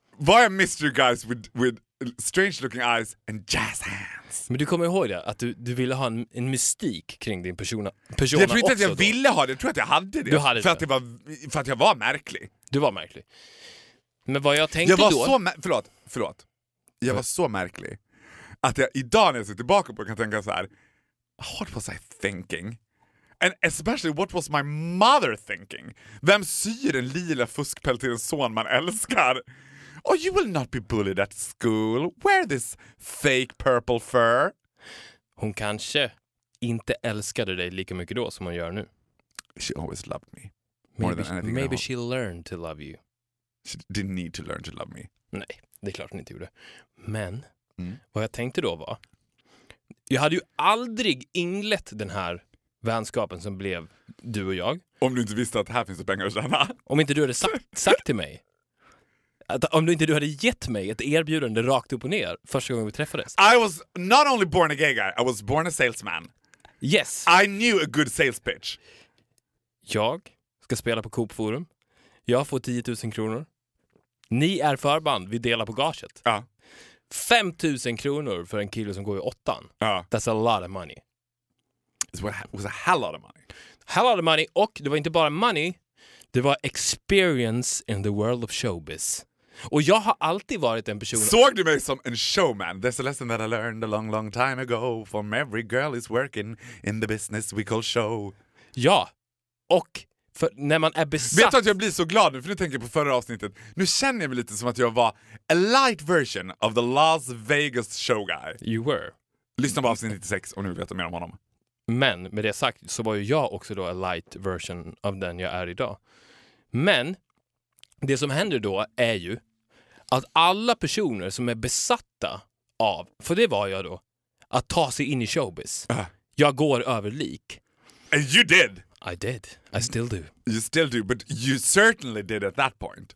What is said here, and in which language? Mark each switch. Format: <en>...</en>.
<en>Why are mystery guys with strange looking eyes and jazz hands.</en> <sv>Men du kommer ihåg det, att du ville ha en mystik kring din persona också. Jag tror inte att jag då. Ville ha det, jag tror att jag hade det. Du hade för det. För att jag var märklig. Du var märklig. Men vad jag tänkte jag var då... Så förlåt. Jag var så märklig att jag idag när jag ser tillbaka på kan tänka så här:</sv> <en>what was I thinking? And especially what was my mother thinking?</en> <sv>Vem syr en lila fuskpäll till en son man älskar?</sv> <en>Oh, you will not be bullied at school. Wear this fake purple fur.</en> <sv>Hon kanske inte älskade dig lika mycket då som hon gör nu.</sv> <en>She always loved me. Maybe she learned to love you. She didn't need to learn to love me.</en> <sv>Nej, det är klart hon inte gjorde. Men vad jag tänkte då var... Jag hade ju aldrig inlett den här vänskapen som blev du och jag. Om du inte visste att här finns pengar att tjäna. Om inte du hade sagt till mig... Att om du inte hade gett mig ett erbjudande rakt upp och ner första gången vi träffades.</sv> <en>I was not only born a gay guy, I was born a salesman. Yes. I knew a good sales pitch.</en> <sv>Jag ska spela på Coop Forum. Jag får 10 000 kronor. Ni är förband, vi delar på gaget. Ja. 5 000 kronor för en kille som går i åttan. Ja.</sv> <en>That's a lot of money. It was a hell lot of money. hell out of money.</en> <sv>Och det var inte bara</sv> <en>money,</en> <sv>det var</sv> <en>experience in the world of showbiz.</en> <sv>Och jag har alltid varit en person... Såg du mig som en showman?</sv> <en>There's a lesson that I learned a long, long time ago. From every girl is working in the business we call show.</en> <sv>Ja, och för när man är besatt... Vet du att jag blir så glad nu? För nu tänker jag på förra avsnittet. Nu känner jag mig lite som att jag var</sv> <en>a light version of the Las Vegas show guy. You were.</en> <sv>Lyssna på avsnitt 96 och nu vet jag mer om honom. Men med det sagt så var ju jag också då</sv> <en>a light version</en> <sv>av den jag är idag. Men det som händer då är ju att alla personer som är besatta av, för det var jag då, att ta sig in i showbiz. Jag går över lik.</sv> <en>And you did. I did. I still do. You still do, but you certainly did at that point.</en>